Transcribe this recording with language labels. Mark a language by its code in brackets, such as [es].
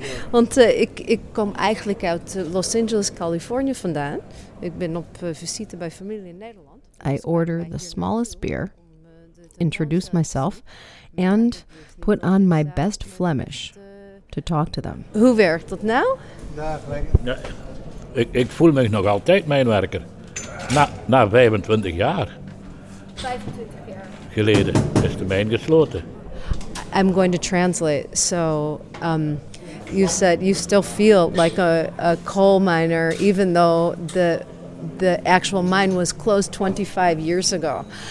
[nl] Want ik kom eigenlijk uit Los Angeles, California vandaan. Ik ben op visite bij familie in Nederland. [en] I order the smallest beer, introduce myself, and put on my best Flemish to talk to them. [nl] Hoe werkt dat nou? Ik voel me nog altijd mijnwerker. Na 25 jaar. 25 jaar. Geleden is de mijn gesloten. [en] I'm going to translate. So, you said you still feel like a coal miner, even though the actual mine was closed 25 years ago.